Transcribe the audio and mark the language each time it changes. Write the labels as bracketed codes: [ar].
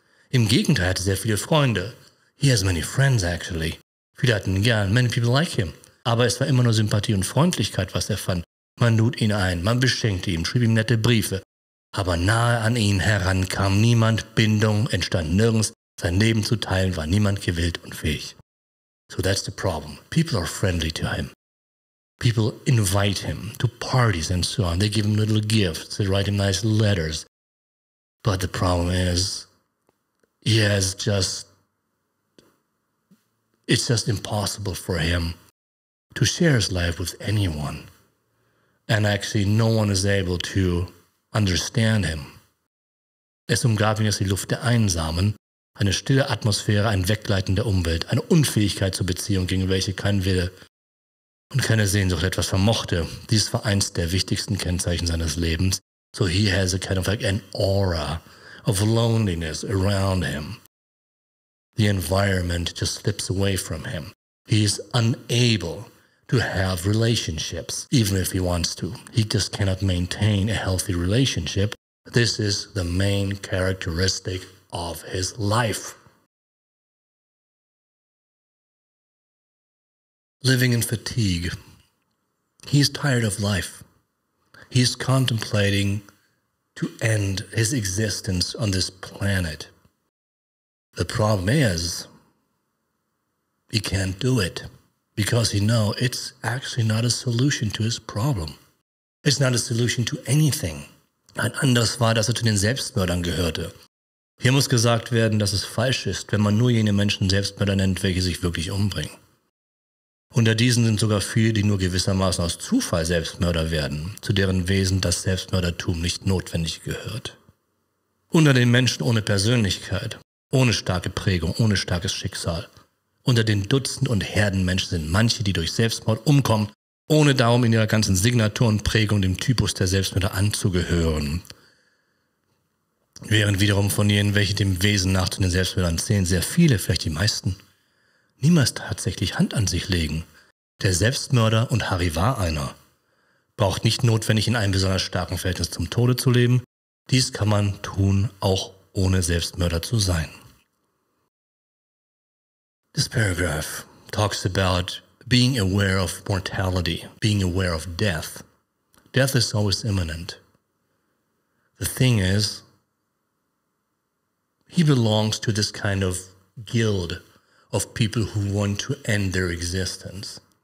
[de] Im Gegenteil, er hatte sehr viele Freunde. [en] He has many friends, actually. [de] Viele hatten ihn gern. [en] Many people like him. [de] Aber es war immer nur Sympathie und Freundlichkeit, was er fand. Man lud ihn ein, man beschenkte ihn, schrieb ihm nette Briefe. Aber nahe an ihn heran kam niemand. Bindung entstand nirgends. Sein Leben zu teilen war niemand gewillt und fähig. [en] So that's the problem. People are friendly to him. People invite him to parties and so on. They give him little gifts. They write him nice letters. But the problem is, he has just, it's just impossible for him to share his life with anyone. And actually, no one is able to understand him. [de] Es umgab ihn jetzt die Luft der Einsamen, eine stille Atmosphäre, ein Weggleiten der Umwelt, eine Unfähigkeit zur Beziehung, gegen welche kein Wille und keine Sehnsucht etwas vermochte. Dies war eins der wichtigsten Kennzeichen seines Lebens. [en] So he has a kind of like an aura of loneliness around him. The environment just slips away from him. He is unable to have relationships, even if he wants to. He just cannot maintain a healthy relationship. This is the main characteristic of his life. Living in fatigue. He's tired of life. He's contemplating to end his existence on this planet. The problem is, he can't do it. Because he knows it's actually not a solution to his problem. It's not a solution to anything. [de] Ein anderes war, dass er zu den Selbstmördern gehörte. Hier muss gesagt werden, dass es falsch ist, wenn man nur jene Menschen Selbstmörder nennt, welche sich wirklich umbringen. Unter diesen sind sogar viele, die nur gewissermaßen aus Zufall Selbstmörder werden, zu deren Wesen das Selbstmördertum nicht notwendig gehört. Unter den Menschen ohne Persönlichkeit, ohne starke Prägung, ohne starkes Schicksal. Unter den Dutzend und Herden Menschen sind manche, die durch Selbstmord umkommen, ohne darum in ihrer ganzen Signatur und Prägung dem Typus der Selbstmörder anzugehören. Während wiederum von jenen, welche dem Wesen nach zu den Selbstmördern zählen, sehr viele, vielleicht die meisten, niemals tatsächlich Hand an sich legen. Der Selbstmörder, und Harry war einer, braucht nicht notwendig in einem besonders starken Verhältnis zum Tode zu leben. Dies kann man tun, auch ohne Selbstmörder zu sein. [en] This paragraph talks about being aware of mortality, being aware of death. Death is always imminent. The thing is, he belongs to this kind of guild of people who want to end their existence.